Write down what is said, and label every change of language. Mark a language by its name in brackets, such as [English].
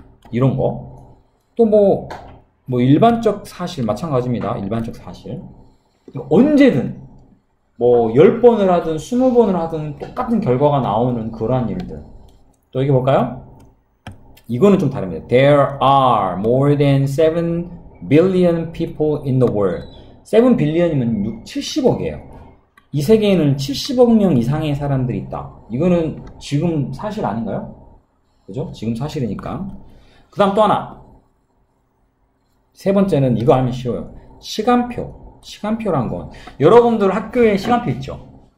[Korean] 이런 거. 또 뭐 일반적 사실 마찬가지입니다. 일반적 사실 언제든 뭐 10번을 하든 20번을 하든 똑같은 결과가 나오는 그러한 일들. 또 이게 볼까요? 이거는 좀 다릅니다. [English] There are more than 7 billion people in the world. [Korean] 7 billion이면 70억이에요. 이 세계에는 70억 명 이상의 사람들이 있다. 이거는 지금 사실 아닌가요? 그죠? 지금 사실이니까. 그 다음 또 하나. 세 번째는 이거 알면 쉬워요. 시간표. 시간표란 건 여러분들 학교에 시간표 있죠?